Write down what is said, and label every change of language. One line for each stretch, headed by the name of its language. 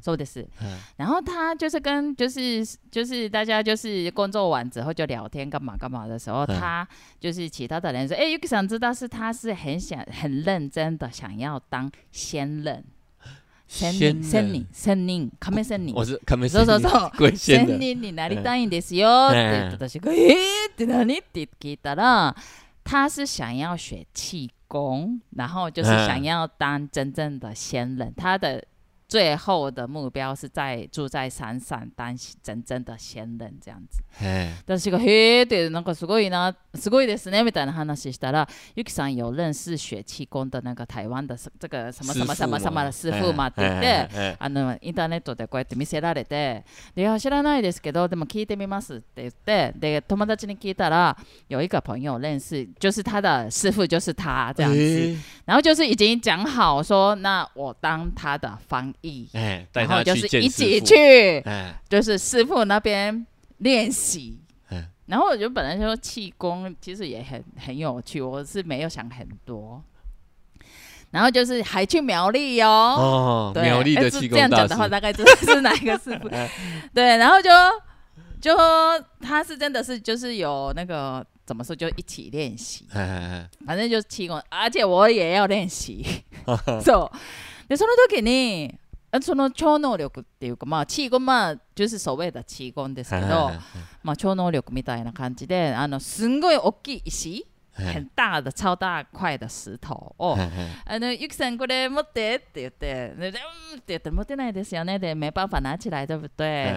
Japanese: そうです。
Chinese: 然后他就是跟就是大家就是工作完之后就聊天干嘛的时候，他就是其他的人说，Yuki想知道是他是很认真的想要当仙人。仙人，亀仙人，我是亀仙人，
Japanese: 鬼仙人，仙人になりたいんですよ。って私が、って何？って聞いたら。
Chinese: 他是想要学气功，然后就是想要当真正的仙人。他的最后的目标是在住在山上当真正的仙人这样子。但是说，对，
Japanese: なんかすごいな、すごいですねみたいな話したら、
Chinese: ユキさん有认识学气功的那个台湾的这个什么什么什么什么的师傅嘛？对不对？
Japanese: あのインターネットでこうやって見せられて、いや知らないですけど、でも聞いてみますって言って、で友達に聞いたら
Chinese: 有一个朋友认识，就是他的师傅就是他这样子。然后就是已经讲好说，那我当他的翻。带他去见师父，一起去，就是师父那边练习。然后我就本来说气功其实也 很有趣，我是没有想很多。然后就是还去苗栗哦，苗栗的气功大师，这样讲的话大概就是哪一个师父。对，然后就他是真的是就是有那个怎么说，就一起练习，反正就是气功，而且我也要练习。
Japanese: so,でその時にその超能力っていうか、まあ、チーゴン、まあ、
Chinese: 就是所谓的
Japanese: チーゴンですけど、まあ、超能力みたいな感じで、あのすんごい大きい石、
Chinese: 很大的超大块的
Japanese: 石頭を、あのユキさんこれ持ってって言って、で、でんって言って持てないですよね、で、
Chinese: 没办法拿起来、对不对？